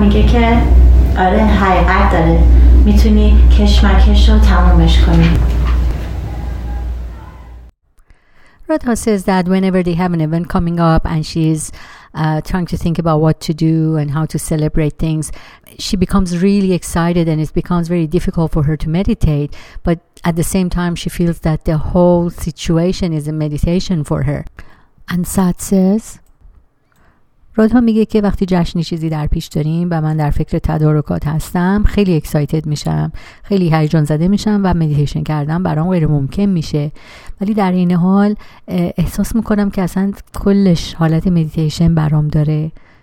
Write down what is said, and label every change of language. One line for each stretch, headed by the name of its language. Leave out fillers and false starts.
Persian: میگه که آره حقیقت داره میتونی کشمکش رو تمومش کنی.
English: Radha says that whenever they have an event coming up and she's trying to think about what to do and how to celebrate things, she becomes really excited and it becomes very difficult for her to meditate. But at the same time, she feels that the whole situation is a meditation for her. And Sat says,
Persian: Radha میگه که وقتی جشنی چیزی در پیش داریم و من در فکر تدارکات هستم خیلی اکسایتد میشم، خیلی هیجان زده میشم و مدیتیشن کردم برام غیر ممکن میشه، ولی در این حال احساس میکنم که اصلا کلش حالت مدیتیشن برام داره.